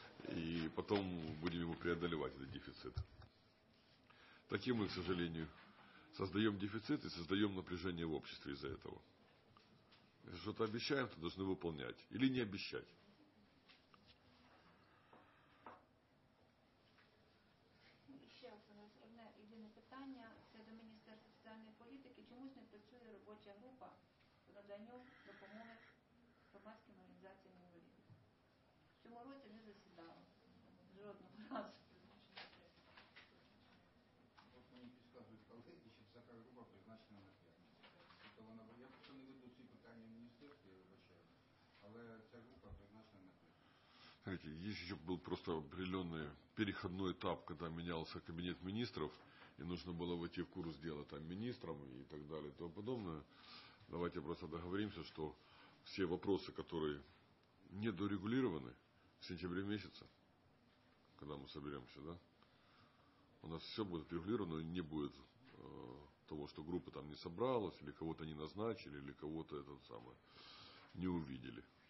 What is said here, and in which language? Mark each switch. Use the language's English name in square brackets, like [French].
[Russian] И потом будем его преодолевать, этот дефицит. Таким мы, к сожалению, создаем дефицит и создаем напряжение в обществе из-за этого. Если что-то обещаем, то должны выполнять. Или не обещать. Еще у нас одно единое питание. Это до Министерства социальной политики. [Ukrainian] Чомусь не працює робоча група по наданню допомоги громадським організаціям інвалідів? В цьому році не засідала жодного разу. Вот мені підказують колеги, що вся група призначена на п'ятницю. То вона, я просто не веду ці питання в міністерстві, вибачаю, але ця група призначена на п'ятницю. [Russian] Смотрите, есть еще был просто определенный переходной этап, когда менялся кабинет министров, и нужно было войти в курс дела там министрам и так далее и тому подобное. Давайте просто договоримся, что все вопросы, которые не дорегулированы в сентябре месяце, когда мы соберемся, да, у нас все будет регулировано, и не будет того, что группа там не собралась, или кого-то не назначили, или кого-то этот самый не увидели.